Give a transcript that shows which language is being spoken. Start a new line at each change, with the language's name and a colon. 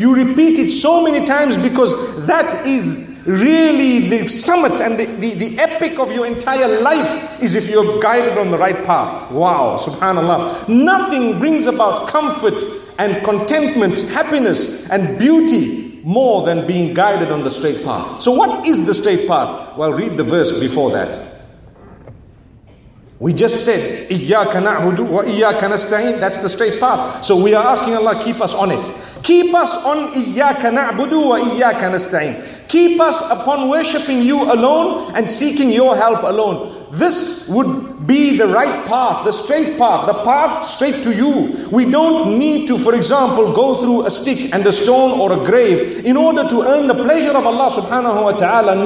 English: You repeat it so many times because that is really the summit and the epic of your entire life is if you're guided on the right path. Wow, subhanallah. Nothing brings about comfort and contentment, happiness and beauty more than being guided on the straight path. So what is the straight path? Well, read the verse before that. We just said,
Arabic: إِيَّاكَ نَعْهُدُ وَإِيَّاكَ نَسْتَعِينَ.
English: That's the straight path. So we are asking Allah, keep us on it. Keep us on
Arabic: إِيَّاكَ نَعْبُدُ وَإِيَّاكَ نَسْتَعِينَ.
English: Keep us upon worshipping you alone and seeking your help alone. This would be the right path, the straight path, the path straight to you. We don't need to, for example, go through a stick and a stone or a grave in order to earn the pleasure of Allah subhanahu wa ta'ala.